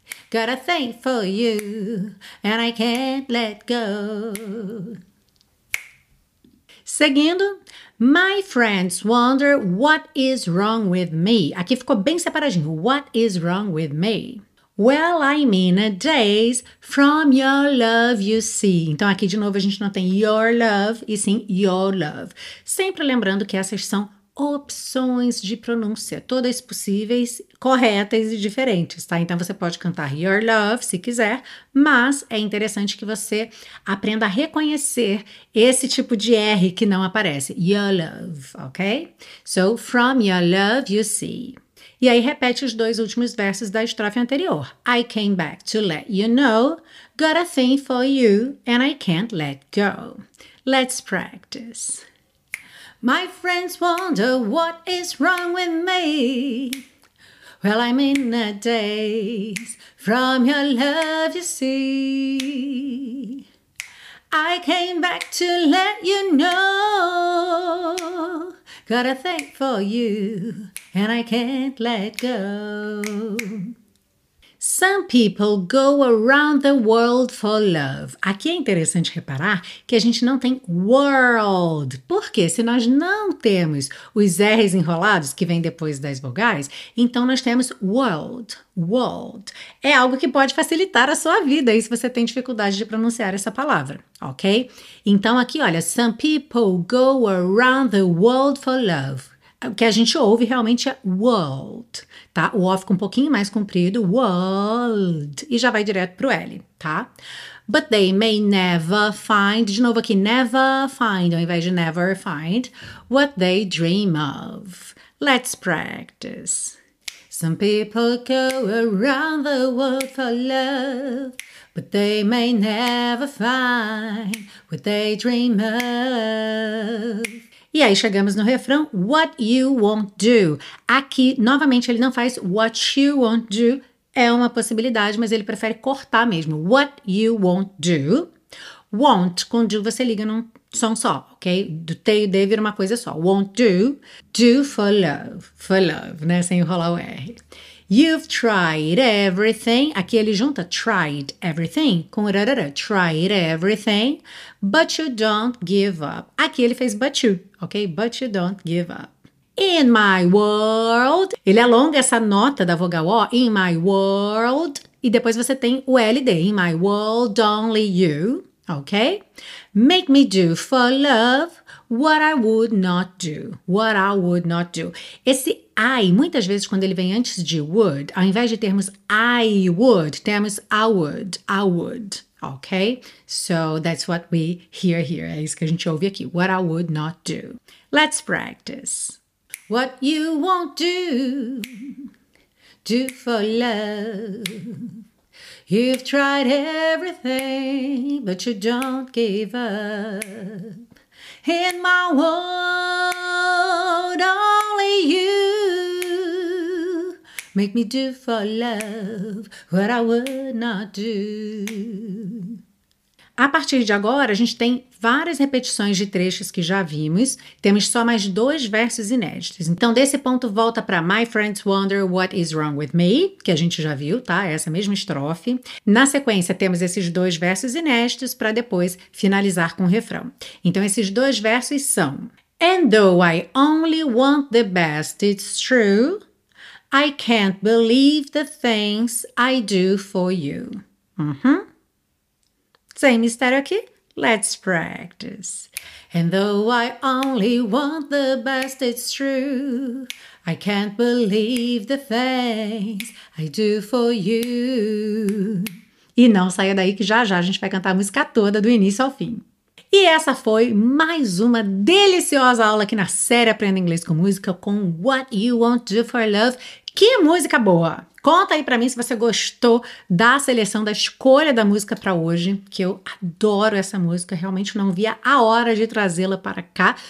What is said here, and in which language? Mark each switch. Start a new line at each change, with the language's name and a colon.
English: Got a thing for you, and I can't let go.
Portuguese: Seguindo,
English: my friends wonder what is wrong with me.
Portuguese: Aqui ficou bem separadinho,
English: what is wrong with me? Well, I'm in a daze from your love, you see.
Portuguese: Então, aqui de novo, a gente não tem
English: your love,
Portuguese: e sim your love. Sempre lembrando que essas são opções de pronúncia, todas possíveis, corretas e diferentes, tá? Então, você pode cantar
English: your love,
Portuguese: se quiser, mas é interessante que você aprenda a reconhecer esse tipo de R que não aparece, your love, ok?
English: So, from your love, you see.
Portuguese: E aí, repete os dois últimos versos da estrofe anterior.
English: I came back to let you know, got a thing for you, and I can't let go. Let's practice. My friends wonder what is wrong with me. Well, I'm in a daze from your love, you see. I came back to let you know, got a thing for you, and I can't let go. Some people go around the world for love.
Portuguese: Aqui é interessante reparar que a gente não tem world. Porque se nós não temos os R's enrolados, que vem depois das vogais, então nós temos world. World. É algo que pode facilitar a sua vida aí se você tem dificuldade de pronunciar essa palavra, ok? Então aqui, olha,
English: some people go around the world for love.
Portuguese: O que a gente ouve realmente é world, tá? O O fica um pouquinho mais comprido, world, e já vai direto pro L, tá?
English: But they may never find,
Portuguese: de novo aqui,
English: never find,
Portuguese: ao invés de
English: never find, what they dream of. Let's practice. Some people go around the world for love, but they may never find what they dream of.
Portuguese: E aí chegamos no refrão,
English: what you won't do.
Portuguese: Aqui, novamente, ele não faz
English: what you won't do,
Portuguese: é uma possibilidade, mas ele prefere cortar mesmo.
English: What you won't do. Won't,
Portuguese: com do você liga num som só,
English: ok?
Portuguese: Do T e D vira uma coisa só.
English: Won't do, do for love,
Portuguese: né? Sem enrolar o R.
English: You've tried everything.
Portuguese: Aqui ele junta
English: tried everything
Portuguese: com rarara.
English: Tried everything, but you don't give up.
Portuguese: Aqui ele fez
English: but you, ok? But you don't give up. In my world.
Portuguese: Ele alonga essa nota da vogal O.
English: In my world.
Portuguese: E depois você tem o LD.
English: In my world, only you. Ok? Make me do for love what I would not do. What I would not do.
Portuguese: Esse I, muitas vezes quando ele vem antes de would, ao invés de termos I would, temos I would, ok?
English: So, that's what we hear here,
Portuguese: é isso que a gente ouve aqui,
English: what I would not do. Let's practice. What you won't do, do for love. You've tried everything, but you don't give up. In my world, only you. Make me do for love what I would not do.
Portuguese: A partir de agora, a gente tem várias repetições de trechos que já vimos. Temos só mais dois versos inéditos. Então, desse ponto, volta para
English: My Friends Wonder What Is Wrong With Me,
Portuguese: que a gente já viu, tá? Essa mesma estrofe. Na sequência, temos esses dois versos inéditos para depois finalizar com o refrão. Então, esses dois versos são:
English: And though I only want the best, it's true, I can't believe the things I do for you. Uhum. Same mistério aqui. Let's practice. And though I only want the best, it's true. I can't believe the things I do for you.
Portuguese: E não saia daí que já a gente vai cantar a música toda do início ao fim. E essa foi mais uma deliciosa aula aqui na série Aprenda Inglês com Música com What You Won't Do For Love. Que música boa! Conta aí pra mim se você gostou da seleção, da escolha da música pra hoje, que eu adoro essa música, realmente não via a hora de trazê-la para cá.